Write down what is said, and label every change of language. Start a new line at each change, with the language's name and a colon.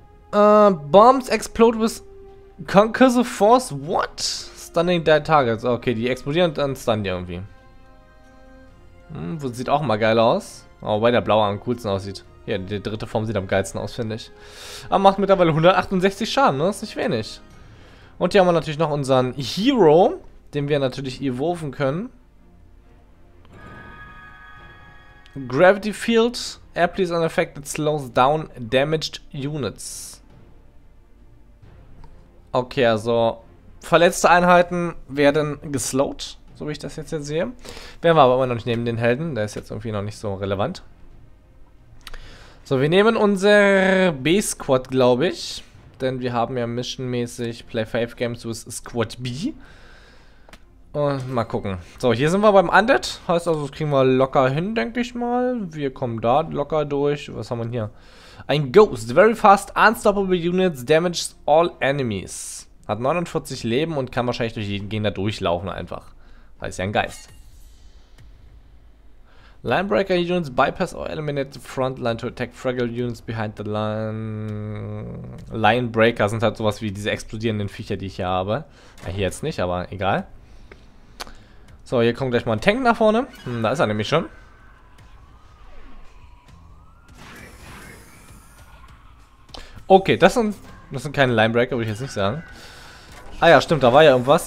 English: Bombs explode with concussive force. What? Stunning dead targets.
German: Okay, die explodieren und dann stunnen die irgendwie. Sieht auch mal geil aus. Wobei der blaue am coolsten aussieht. Ja, die dritte Form sieht am geilsten aus, finde ich. Aber macht mittlerweile 168 Schaden, ne? Ist nicht wenig. Und hier haben wir natürlich noch unseren Hero. Den wir natürlich evolven können.
English: Gravity Field. Apply is unaffected. Slows down damaged units.
German: Okay, also verletzte Einheiten werden geslowed. So wie ich das jetzt sehe. Werden wir aber immer noch nicht nehmen, den Helden. Der ist jetzt irgendwie noch nicht so relevant. So, wir nehmen unser B-Squad, glaube ich. Denn wir haben ja missionmäßig
English: Play 5 Games with Squad B.
German: Und mal gucken. So, hier sind wir beim Undead. Heißt also, das kriegen wir locker hin, denke ich mal. Wir kommen da locker durch. Was haben wir hier? Ein Ghost.
English: Very fast, unstoppable units, damages all enemies.
German: Hat 49 Leben und kann wahrscheinlich durch jeden Gegner durchlaufen einfach. Heißt ja ein Geist.
English: Linebreaker units, bypass or eliminate the front line to attack fragile units behind the line.
German: Linebreaker sind halt sowas wie diese explodierenden Viecher, die ich hier habe. Ja, hier jetzt nicht, aber egal. So, hier kommt gleich mal ein Tank nach vorne. Da ist er nämlich schon. Okay, das sind keine Linebreaker, würde ich jetzt nicht sagen. Ah ja, stimmt, da war ja irgendwas.